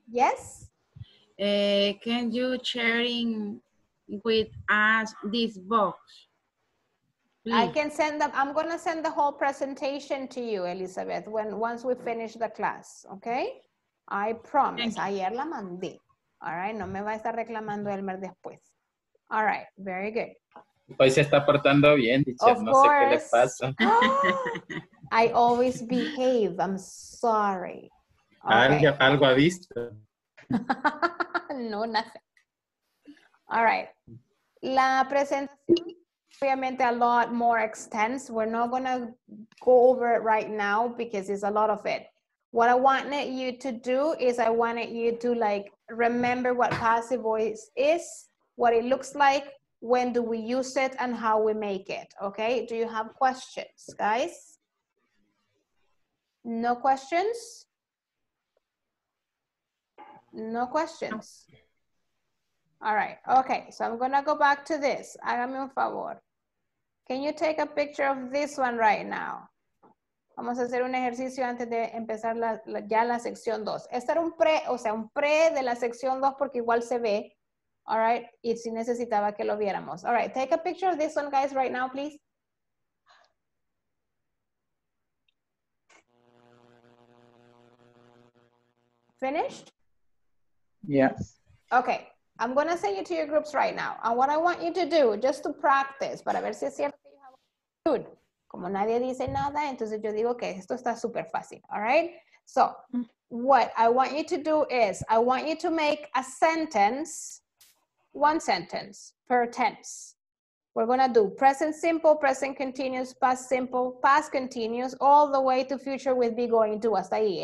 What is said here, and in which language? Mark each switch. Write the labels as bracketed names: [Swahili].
[English] Yes? Can you share in... with us this box, please. I can send them. I'm gonna send the whole presentation to you, Elizabeth, when once we finish the class, okay? I promise. [Spanish] Ayer la mandé. [English] All right, [Spanish] no me va a estar reclamando Elmer después. [English] All right, very good. [Spanish] Hoy se está portando bien, dicho. [English] Of no course. [Spanish] Sé qué le pasa. [English] I always behave. I'm sorry. [Spanish] Okay. Algo ha visto. [English] No, nothing. All right. [Spanish] La presentación, obviamente, [English] a lot more extensive. We're not going to go over it right now because it's a lot of it. What I wanted you to do is I wanted you to, like, remember what passive voice is, what it looks like, when do we use it, and how we make it, okay? Do you have questions, guys? No questions? No questions. All right, okay, so I'm gonna go back to this. [Spanish] Hágame un favor. [English] Can you take a picture of this one right now? [Spanish] Vamos a hacer un ejercicio antes de empezar ya la sección 2. Este era un pre de la sección 2 porque igual se ve. [English] All right, [Spanish] y si necesitaba que lo viéramos. [English] All right, take a picture of this one, guys, right now, please. Finished? Yes. Okay, I'm going to send you to your groups right now. And what I want you to do, just to practice, [Spanish] para ver si es cierto que [English] you have good. [Spanish] Como nadie dice nada, entonces yo digo que esto está súper fácil. [English] All right, so what I want you to do is, I want you to make a sentence. One sentence per tense. We're gonna do present simple, present continuous, past simple, past continuous, all the way to future with be going to, [Spanish] hasta ahí.